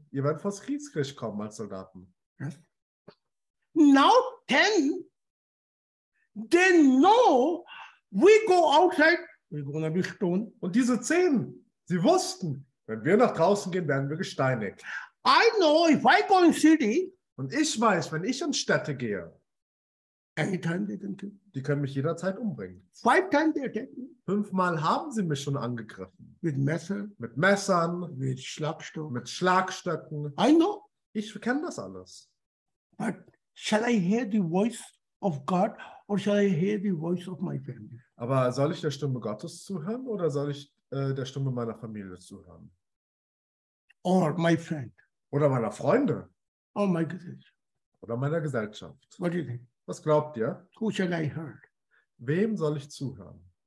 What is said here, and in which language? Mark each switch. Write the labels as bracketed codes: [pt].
[de] Ihr werdet vor das Kriegsgericht kommen als Soldaten. [en] Yes. Now then, they know we go outside, we're gonna be stoned. [de] Und diese 10, sie wussten, wenn wir nach draußen gehen, werden wir gesteinigt. [en] I know if I go in city. [de] Und ich weiß, wenn ich in Städte gehe, [en] anytime they can kill. [de] Die können mich jederzeit umbringen. [en] 5 times they attack me. 5 times [de] haben sie mich schon angegriffen. Mit Messern. Mit Schlagstöcken. [en] I know. [de] Ich kenne das alles. [en] But shall I hear the voice of God or shall I hear the voice of my family? [de] Aber soll ich der Stimme Gottes zuhören oder soll ich der Stimme meiner Familie zuhören? [en] Or my friend. [de] Oder meiner Freunde. [en] Or my Gesellschaft. [de] Oder meiner Gesellschaft. [en] What do you think? [de] Was glaubt ihr? [en] Who shall I hear? [de] Wem soll ich zuhören?